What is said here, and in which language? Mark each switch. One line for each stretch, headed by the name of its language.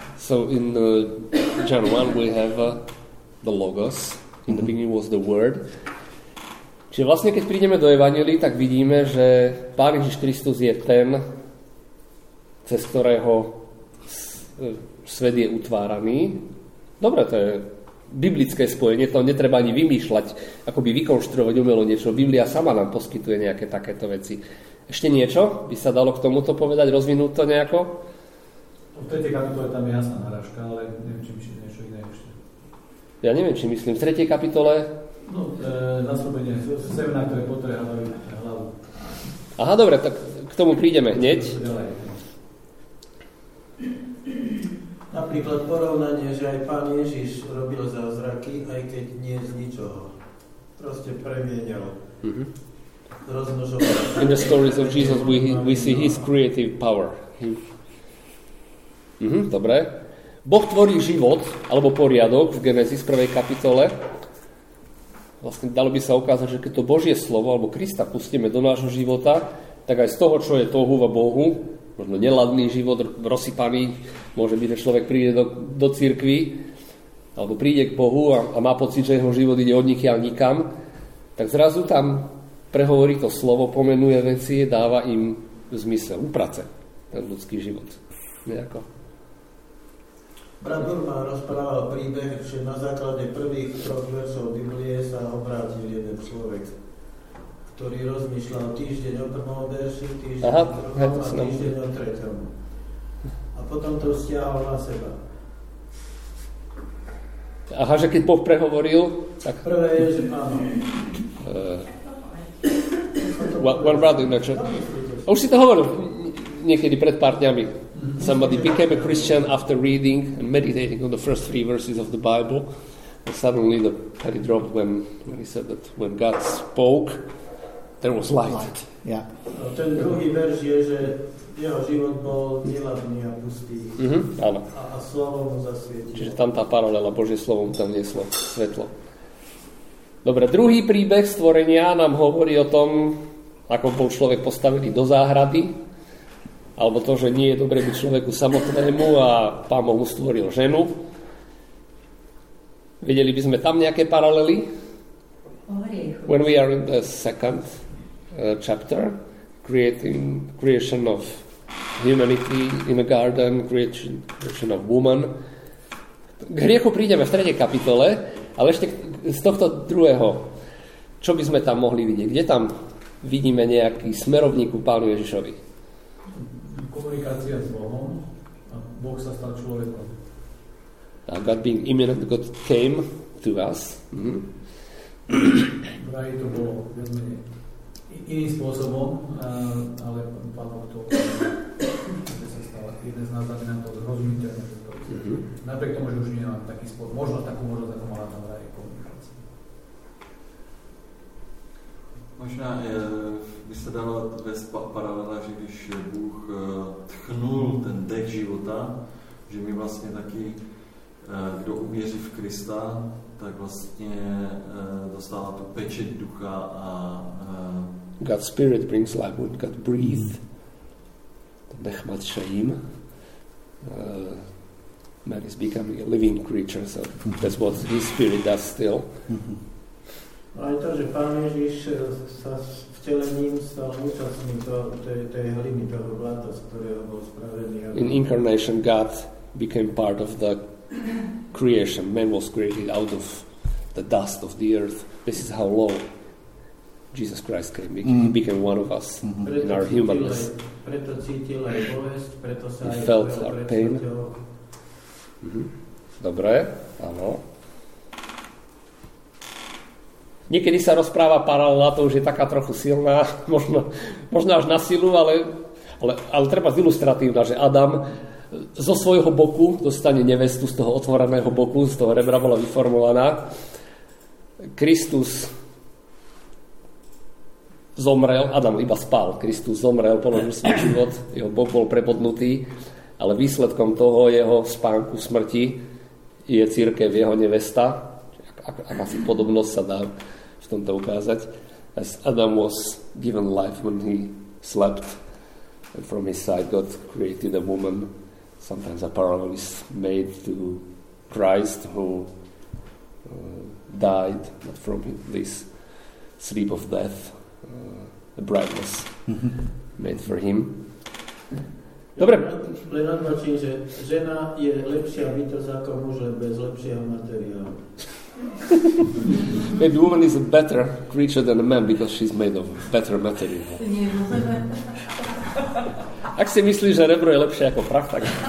English: So in John 1 we have the logos. In the beginning was the word.
Slovak: Čiže vlastne, keď prídeme do evanjelií, tak vidíme, že Pán Ježiš Kristus je ten, cez ktorého svet je utváraný. Dobre, to je biblické spojenie, to netreba ani vymýšľať, akoby vykonštruovať umelo niečo. Biblia sama nám poskytuje nejaké takéto veci. Ešte niečo by sa dalo k tomuto povedať, rozvinúť to nejako? V tretej kapitole tam je jasná narážka, ale neviem, či myslím niečo iné ešte. Ja neviem, či myslím. V tretej kapitole? No, zaslúbenie semena, ktoré potrehávajú hlavu. Aha, dobre, tak k tomu prídeme hneď. Napríklad porovnanie, že aj Pán Ježiš robil zázraky, aj keď nie z ničoho. Proste premienial. Mm-hmm. Rozmnožoval.
English: In the stories of Jesus we see his creative power.
Slovak: Mm-hmm, dobre. Boh tvorí život, alebo poriadok v Genesis 1. kapitole. Vlastne dalo by sa ukázať, že keď to Božie slovo, alebo Krista pustíme do nášho života, tak aj z toho, čo je tohu a Bohu, možno neladný život, rozsypaný, môže byť, že človek príde do cirkvi, alebo príde k Bohu a má pocit, že jeho život ide od nikiaľ nikam, tak zrazu tam prehovorí to slovo, pomenuje veci, dáva im zmysel, uprace ten ľudský život. Nejako. Brat Burma rozprával príbeh, že na základe prvých troch versov Biblie sa obrátil jeden človek, ktorý rozmýšľal týždeň o prvom verši, týždeň o tretom. A potom to stiahol na seba. Aha, že keď Boh prehovoril, tak... Prvé je, že áno.
English: One brother in the church.
Slovak: Už si to hovoril niekedy pred pár dňami.
English: Somebody became a Christian after reading and meditating on the first three verses of the Bible. And suddenly the penny dropped when he said that when God spoke, there was light. Yeah.
Slovak: Ten druhý verš je, že jeho život bol neladný a pustý. Mm-hmm, áno. A slovo mu zasvietilo. Čiže tam tá paralela, Božie slovo mu tam vnieslo svetlo. Dobre, druhý príbeh stvorenia nám hovorí o tom, ako bol človek postavený do záhrady. Alebo to, že nie je dobre byť človeku samotnému a Pán Boh mu stvoril ženu. Videli by sme tam nejaké paralely? O hriechu.
English: When we are in the second chapter, creation of humanity in a garden, creation of woman.
Slovak: K hriechu prídeme v tretej kapitole, ale ešte z tohto druhého, čo by sme tam mohli vidieť? Kde tam vidíme nejaký smerovník u Pánu Ježišovi? Komunikácia s Bohom a Boh sa stal človekom.
English: A God being imminent, God came to us. Mm.
Slovak: Vraj to bolo iným spôsobom, ale Pán Boh to sa stalo jedné z nás, aby nám to zrozumiteľné. Mm-hmm. Napriek tomu, že už nemám taký spôr, možno takú možnosť, ako mala tam vraj komunikácia.
Czech: Možná by sa dalo vesť paralela, že když Bůh tchnul ten dech života, že my vlastne taký, kdo uvěří v Krista, tak vlastně dostává tu pečeť ducha a...
English: God's spirit brings life when God breathes.
Czech: To dech matšajím.
English: Man is becoming a living creature, so that's what his spirit does still.
Slovak: Aj to, že Pán Ježiš sa vtelením stal účastným tej hliny, toho blata, z ktorého bol spravený.
English: In incarnation, God became part of the creation. Man was created out of the dust of the earth. This is how low Jesus Christ came. He became one of us in our humanness.
Slovak: Preto cítil aj bolesť, preto sa
English: he felt our pain.
Slovak: Dobre, áno. Niekedy sa rozpráva paralela, to už je taká trochu silná, možno až na silu, ale treba ilustratívna, že Adam zo svojho boku dostane nevestu z toho otvoreného boku, z toho rebra bola vyformulovaná. Kristus zomrel, Adam iba spal, Kristus zomrel, položil svoj život, jeho bok bol prebodnutý, ale výsledkom toho jeho spánku smrti je cirkev jeho nevesta. Akási podobnosť sa dá v tomto ukázať.
English: As Adam was given life when he slept, and from his side God created a woman. Sometimes a parallel is made to Christ who died, not from this sleep of death, a brightness made for him.
Slovak: Dobre. Len odnočím, že žena je lepšia bytosť ako muž, len bez lepšieho materiálu.
English: Maybe woman is a better creature than a man because she's made of better material.
Slovak: Nie, rozumiem. Ak si myslíš, že rebro je lepšie ako prach, tak...